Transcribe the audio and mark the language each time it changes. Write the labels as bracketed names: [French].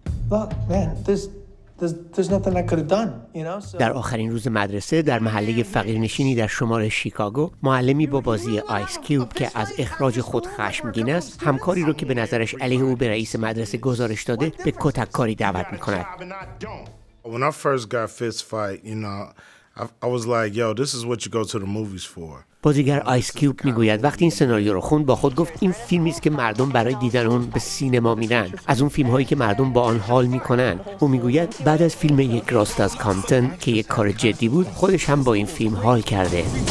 [English] Look, man, there's nothing I could have done, you know. So. [Persian] در آخرین روز مدرسه در محله فقیرنشینی در شمال شیکاگو، معلمی با بازی آیس کیوب که از اخراج خود خشمگین است، همکاری رو که به نظرش علیه او به رئیس مدرسه گزارش داده به کتک کاری دعوت میکند. [English] When I first got fist fight, you know, I was like, yo, this is what you go to the movies for. [Persian] بازیگر آیس کیوب میگوید وقتی این سناریو رو خوند با خود گفت این فیلمی است که مردم برای دیدن اون به سینما میرن، از اون فیلم هایی که مردم با آن حال میکنن. او میگوید بعد از فیلم یک راست از کامپتون که یک کار جدی بود، خودش هم با این فیلم حال کرده.